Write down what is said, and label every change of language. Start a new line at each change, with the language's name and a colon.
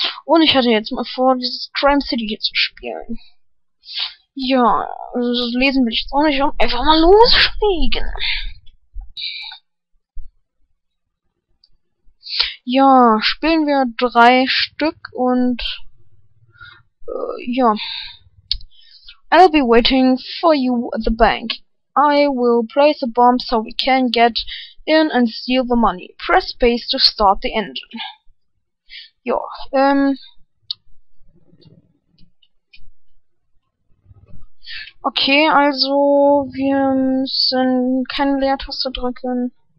German: Und ich hatte jetzt mal vor, dieses Crime City hier zu spielen. Ja, also das Lesen will ich jetzt auch nicht, um einfach mal loslegen. Ja, spielen wir drei Stück und... ja.
English: I'll be waiting for you at the bank. I will place a bomb so we can get in and steal the money. Press space to start the engine.
German: Ja, okay, also wir müssen keine Leertaste drücken.